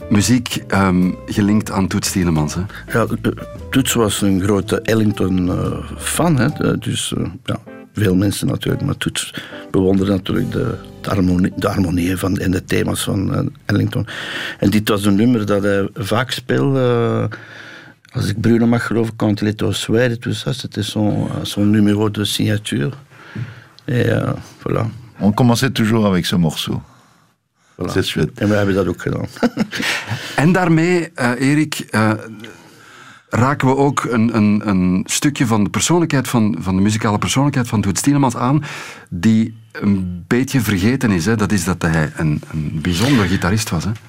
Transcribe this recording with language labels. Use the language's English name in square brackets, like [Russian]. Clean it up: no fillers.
[Dutch] Muziek gelinkt aan Toots Thielemans. Hè? Ja, Toots was een grote Ellington-fan, hè? Dus ja, veel mensen natuurlijk, maar Toots bewonderde natuurlijk de harmonie van, en de thema's van Ellington. En dit was een nummer dat hij vaak speelde. Als ik Bruno mag geloven, [French] Quand il est au soir et tout ça, c'était son numéro de signature. Et voilà. On commençait toujours avec ce morceau. Voilà. C'est chouette. [Dutch] En we hebben dat ook gedaan. En daarmee, Erik, raken we ook een stukje van de persoonlijkheid, van de muzikale persoonlijkheid van Toots Thielemans aan, die een beetje vergeten is. Hè? Dat is dat hij een bijzonder gitarist was. Hè?